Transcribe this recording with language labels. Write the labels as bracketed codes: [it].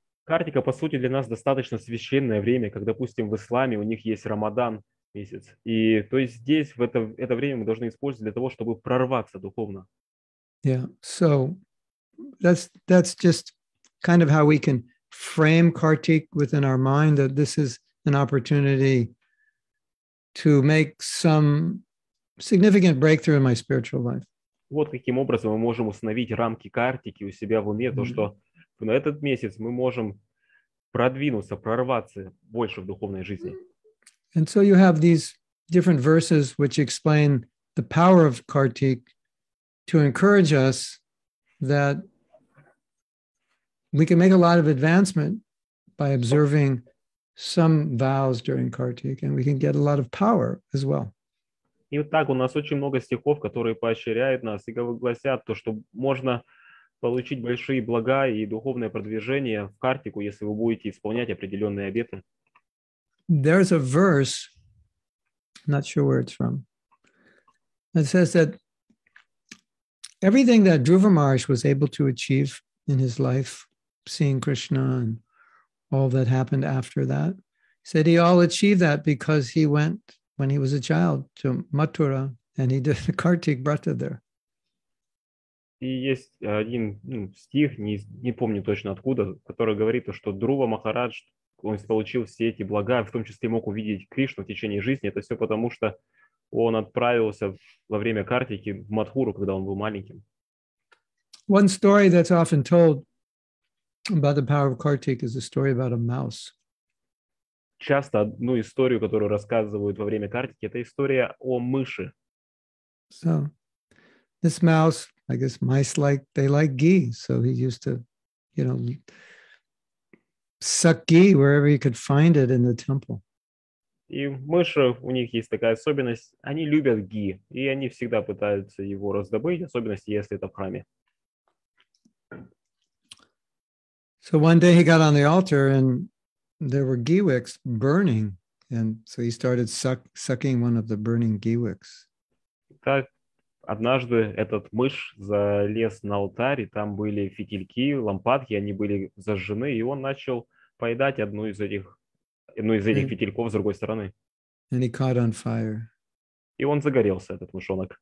[ru] Картика, по сути, для нас достаточно священное время, как, допустим, в исламе у них есть Рамадан месяц. И то есть здесь, в это время, мы должны использовать для того, чтобы прорваться духовно. [en] Yeah, so that's just kind of how we can frame Kartik within our mind, that this is an opportunity to make some significant breakthrough in my spiritual life. [ru] Вот каким образом мы можем установить рамки Картики у себя в уме, то, что на этот месяц мы можем продвинуться, прорваться больше в духовной жизни. [en] And so you have these different verses which explain the power of Kartik to encourage us that we can make a lot of advancement by observing some vows during Kartik, and we can get a lot of power as well. [ru] И вот так у нас очень много стихов, которые поощряют нас и гласят то, что можно получить большие блага и духовное продвижение в Картику, если вы будете исполнять определенные обеты. [en] There's a verse, not sure where it's from, that says that everything that Dhruva Maharaj was able to achieve in his life, seeing Krishna and all that happened after that, said he all achieved that because he went, when he was a child, to Mathura and he did the Kartik Vrata there. [ru] И есть один стих, не помню точно откуда, который говорит, что Друва Махарадж, он получил все эти блага, в том числе мог увидеть Кришну в течение жизни. Это все потому, что он отправился во время Картики в Матхуру, когда он был маленьким. [en] One story that's often told about the power of Kartik is a story about a mouse. [ru] Часто одну историю, которую рассказывают во время Картики, это история о мыши. [en] So, this mouse, I guess mice like, they like ghee. So he used to, you know, suck ghee wherever he could find it in the temple. [ru] И мыши, у них есть такая особенность, они любят ги, и они всегда пытаются его раздобыть, особенно если это в храме. [en] So one day he got on the altar and there were ghee wicks burning. And so he started sucking one of the burning ghee wicks. [ru] Так. Однажды этот мышь залез на алтарь, и там были фитильки, лампадки, они были зажжены, и он начал поедать одну из этих фитильков с другой стороны. [en] And he caught on fire. [ru] И он загорелся, этот мышонок.